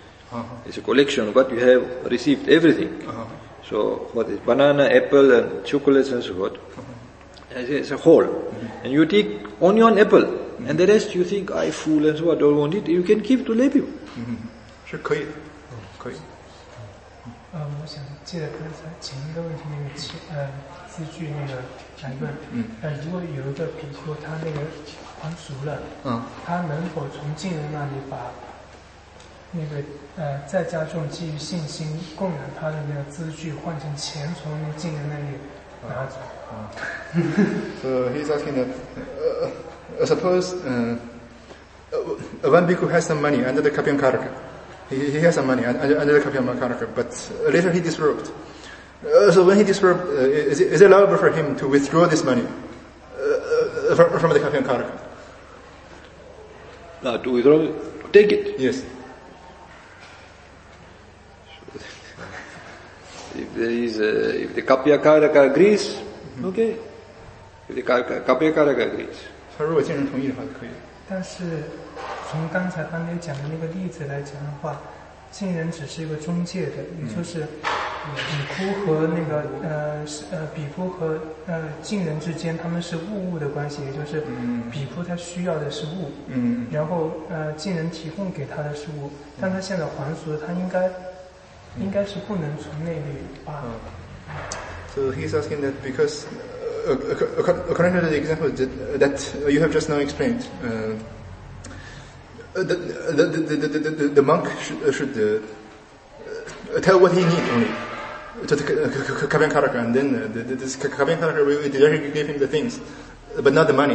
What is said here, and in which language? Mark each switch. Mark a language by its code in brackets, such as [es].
[en] Uh-huh. It's a collection of what you have received, everything. Uh-huh. So what is banana, apple, and chocolates and so forth. Uh-huh. It's a whole. Mm-hmm. And you take onion, apple, mm-hmm. and the rest you think, I fool and so forth, don't want it, you can give to lay people. Mm-hmm. Sure, koi. Oh, koi. [zh] 我想借着刚才前一个问题那个字句那个来问，如果有一个比丘他那个还俗了，他能否从净人那里把那个在家中基于信心供养他的那个字句换成钱从那净人那里拿走？ [en] So he's asking that, suppose, one bhikkhu has some money under the Kapyamkaraka. He has some money under the Kapyamkaraka, but later he disrobed. So when he disrobed, is it allowable for him to withdraw this money from the Kapyamkaraka? No, to withdraw it? Take it? Yes. If the Kapyamkaraka agrees, okay. If the Kapyamkaraka agrees. So if the Kapyamkaraka agrees, it's okay. [zh] 但是从刚才刚才讲的那个例子来讲的话，净人只是一个中介的，也就是比丘和那个比丘和净人之间，他们是物的关系，也就是比丘他需要的是物，然后净人提供给他的是物，但他现在还俗，他应该是不能从那里把。 [en] So he's asking that because according to the example that you have just now explained. The monk should tell what he needs only to the Kapyamkaraka, and then this Kapyamkaraka directly gave him the things, but not the money.